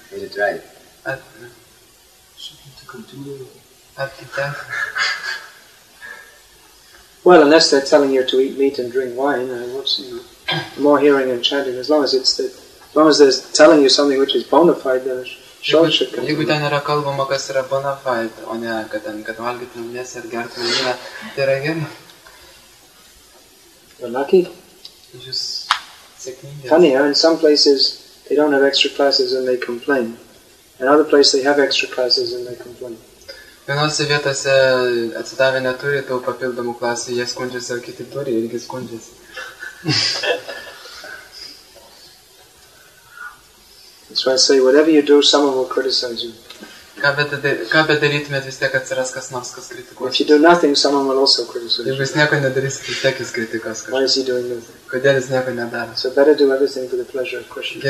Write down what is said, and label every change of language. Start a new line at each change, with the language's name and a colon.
English: Is it right? Should we to continue? After that? Well, unless they're telling you to eat meat and drink wine, what's, you know, more hearing and chanting, as long as they're telling you something which is bona fide, then sure it should come.
Lithuanian: Jeigu ten yra kalbama, kas yra bona fide, o ne, kad valgyti mėsą ir gerti vyną, tai yra gerai.
English: You're lucky. You're just sickening. Funny, yeah. In some places they don't have extra classes and they complain. In other places they have extra classes and they complain.
Lithuanian: Vienose vietose atsidavę neturi tų papildomų klasių, jie skundžiasi, o kiti turi, irgi skundžiasi.
English: So I say, whatever you do, someone will criticize you. If you do nothing, someone will also criticize you. Why is he doing nothing? So better do everything for the pleasure of Krishna.